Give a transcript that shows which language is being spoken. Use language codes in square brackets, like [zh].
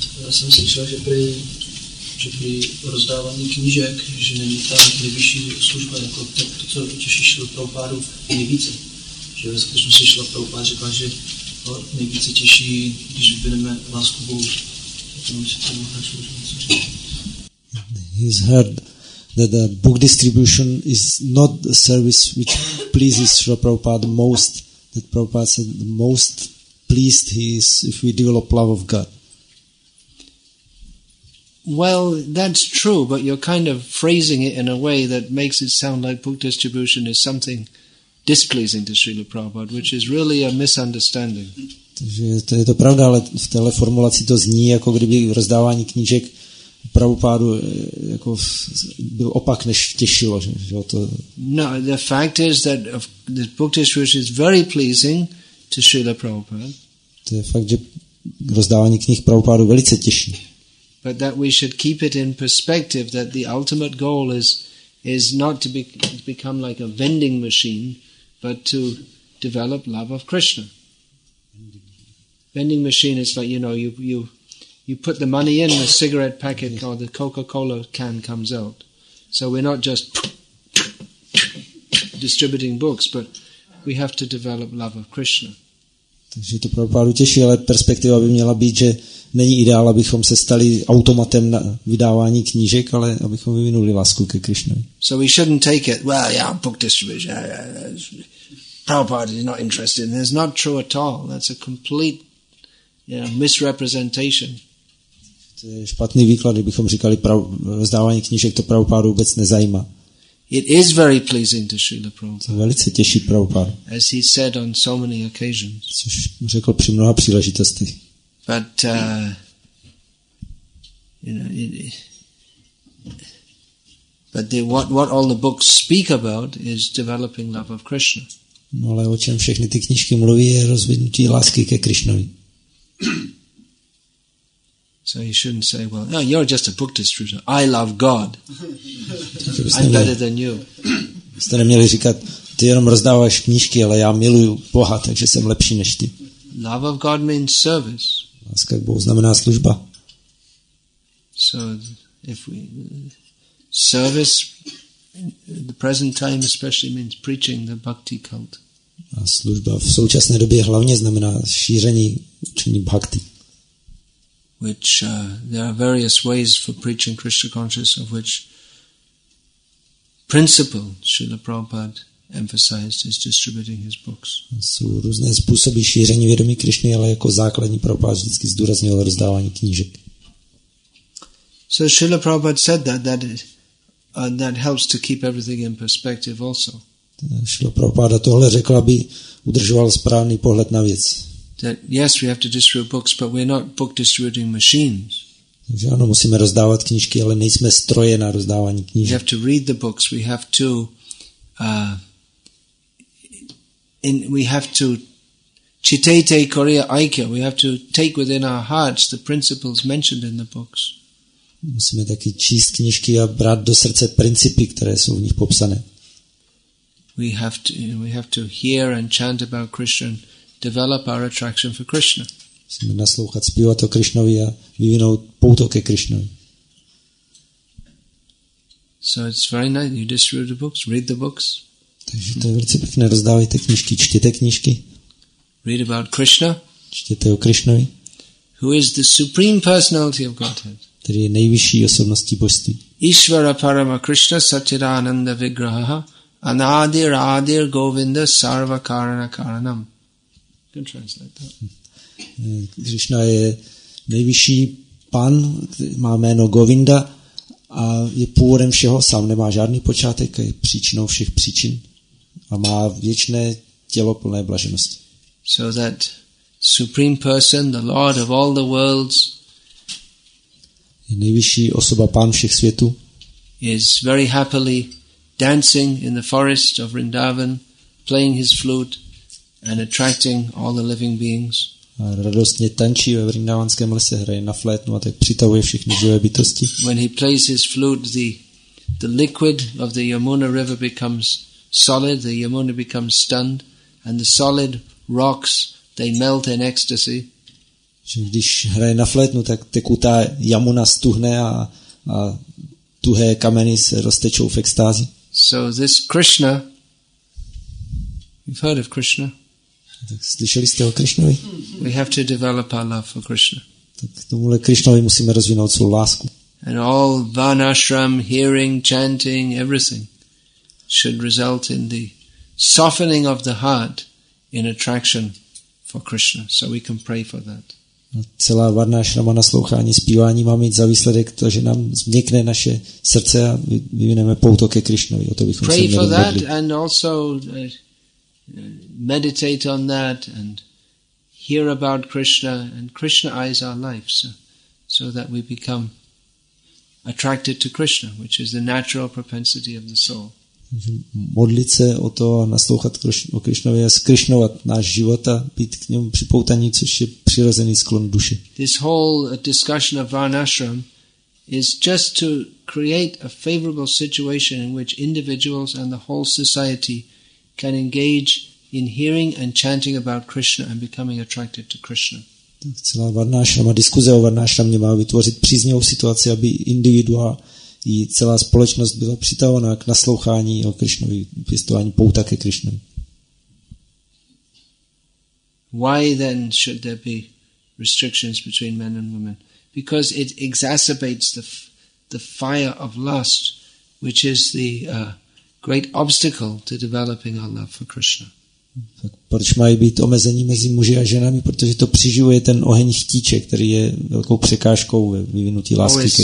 [cs] Jsem slyšel, že při rozdávání knížek, že není ta nejvyšší služba, jako to co těší šlo pro páru nejvíce. Že ve skutečnosti šlo pro pár, řekla, že nejvíce těší, když vybereme lásku Bohu. [en] He's heard that the book distribution is not the service which pleases Srila Prabhupada the most. That Prabhupada said the most pleased he is if we develop love of God. Well, that's true, but you're kind of phrasing it in a way that makes it sound like book distribution is something displeasing to Srila Prabhupada, which is really a misunderstanding. [cs] Takže to je to pravda, ale v téhle formulaci to zní, jako kdyby rozdávání knížek Prabhupádu jako byl opak, než těšilo. Že to... [en] No, the fact is that the book distribution is very pleasing to Srila Prabhupada. [cs] To je fakt, že rozdávání knih Prabhupádu velice těší. [en] But that we should keep it in perspective that the ultimate goal is not to become like a vending machine, but to develop love of Krishna. Vending machine is like, you know, you put the money in, the cigarette packet or the Coca-Cola can comes out. So we're not just distributing books, but we have to develop love of Krishna. [cs] Takže to Prabhupádu těší, ale perspektiva by měla být, že není ideál, abychom se stali automatem na vydávání knížek, ale abychom vyvinuli lásku ke Krišnovi. [en] So we shouldn't take it, well, yeah, book distribution, Prabhupada is not interested, that's not true at all, that's a complete misrepresentation. [cs] To je špatný výklad, kdybychom říkali, rozdávání knížek to Prabhupádu vůbec nezajímá. [en] It is very pleasing to Srila Prabhupada. [cs] To velice těší Prabhupada. [en] As he said on so many occasions. [cs] Což řekl při mnoha příležitostech. [en] But what all the books speak about is developing love of Krishna. [cs] No, ale o čem všechny ty knížky mluví, je rozvinutí lásky ke Krišnovi. [en] So you shouldn't say, well, no, you're just a book distributor. I love God. I'm better than you. [cs] Jste neměli říkat, ty jenom rozdáváš knížky, ale já miluju Boha, takže jsem lepší než ty. [en] Love of God means service. [cs] Láska k Bohu znamená služba. [en] So if we service in the present time especially means preaching the bhakti cult. [cs] A služba v současné době hlavně znamená šíření učení bhakti. [en] Which there are various ways for preaching Krishna consciousness, of which principle Srila Prabhupada emphasized is distributing his books. [cs] Jsou různé způsoby šíření vědomí Krišny, ale jako základní Prabhupada vždycky zdůrazňoval rozdávání knížek. [en] So Srila Prabhupada said that helps to keep everything in perspective also. [cs] Srila Prabhupada tohle řekl, aby udržoval správný pohled na věc. [en] That yes, we have to distribute books, but we're not book distributing machines. [cs] Takže ano, musíme rozdávat knížky, ale nejsme stroje na rozdávání knížek. [en] We have to read the books. We have to, [bn] chitete koriya aikya. [en] We have to take within our hearts the principles mentioned in the books. [cs] Musíme taky číst knížky a brát do srdce principy, které jsou v nich popsané. [en] We have to hear and chant about Krishna. Develop our attraction for Krishna. [cs] Musíme naslouchat zpívat o Krišnovi a vyvinout pouto ke Krišnovi. [en] So it's very nice. You distribute the books, read the books. [cs] Takže to je velice pěkné. Rozdávajte knížky, čtěte knížky. [en] Read about Krishna. [cs] Čtěte o Krišnovi. [en] Who is the supreme personality of Godhead? [cs] Který je nejvyšší osobností božství. [sa] Ishvara Parama Krishna Satchidananda Vigraha Anadir Adir Govinda Sarva Karana Karanam. [en] Can translate that. [cs] Krishna je nejvyšší pan, má jméno Govinda a je původem všeho, sám nemá žádný počátek, je příčinou všech příčin a má věčné tělo plné blaženosti. [en] So that supreme person, the lord of all the worlds, [cs] je nejvyšší osoba pán všech světů, [en] is very happily dancing in the forest of Vrindavan, playing his flute and attracting all the living beings. [cs] A radostně tančí ve Vrindavanském lese, hraje na flétnu a tak přitahuje všechny živé bytosti. [en] When he plays his flute, the liquid of the Yamuna river becomes solid, the Yamuna becomes stunned, and the solid rocks, they melt in ecstasy. [cs] Když hraje na flétnu, tak tekutá Yamuna stuhne a tuhé kameny se roztečou v extázi. [en] So this Krishna, you've heard of Krishna. [cs] Tak slyšeli jste o Krišnovi? [en] We have to develop our love for Krishna. [cs] Tak tomuhle Krišnovi musíme rozvinout svou lásku. [en] And all vanashram, hearing, chanting, everything should result in the softening of the heart in attraction for Krishna. So we can pray for that. [cs] A celá vanashrama naslouchání, zpívání má mít za výsledek to, že nám změkne naše srdce a vyvineme pouto ke Krišnovi. O to bychom [en] pray [cs] se měli [en] for [cs] modlit. [en] That and also meditate on that and hear about Krishna and Krishna eyes our life so that we become attracted to Krishna, which is the natural propensity of the soul. [cs] Modlit se o to a naslouchat o Krišnovi a zkrišnovat náš život a být k němu připoutaní, což je přirozený sklon duše. [en] This whole discussion of varnashram is just to create a favorable situation in which individuals and the whole society can engage in hearing and chanting about Krishna and becoming attracted to Krishna. [cs] Celá varnashrama, diskuze o varnashramě má vytvořit příznivou situaci, aby individua i celá společnost byla přitahována k naslouchání o Krišnovi, pěstování pouta ke Krišnovi. [en] Why then should there be restrictions between men and women? Because it exacerbates the fire of lust, which is the great obstacle to developing our love for Krishna. [cs] Tak proč mají být omezení mezi muži a ženami? Protože to přiživuje ten oheň chtíče, který je velkou překážkou ve vyvinutí lásky ke